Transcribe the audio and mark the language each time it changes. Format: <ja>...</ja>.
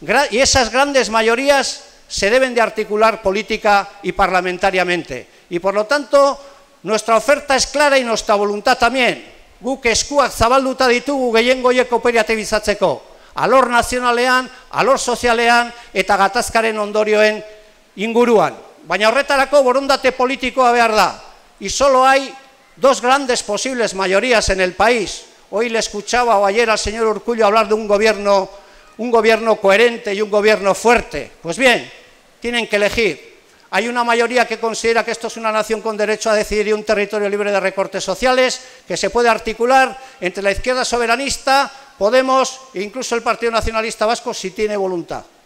<es>Y esas grandes mayorías se deben de articular política y parlamentariamente. Y por lo tanto, nuestra oferta es clara y nuestra voluntad también.</es> <eu>Guk eskuak zabalduta ditugu gehiengo hoiek kooperatibizatzeko. Alor nazionalean, alor sozialean eta gatazkaren ondorioen inguruan. Baina horretarako borondate politikoa behar da.</eu> <es>Y solo hay dos grandes posibles mayorías en el país. Hoy le escuchaba o ayer al señor Urkullu hablar de un gobierno coherente y un gobierno fuerte. Pues bien, tienen que elegir. Hay una mayoría que considera que esto es una nación con derecho a decidir y un territorio libre de recortes sociales, que se puede articular entre la izquierda soberanista, Podemos e incluso el Partido Nacionalista Vasco, si tiene voluntad.</es>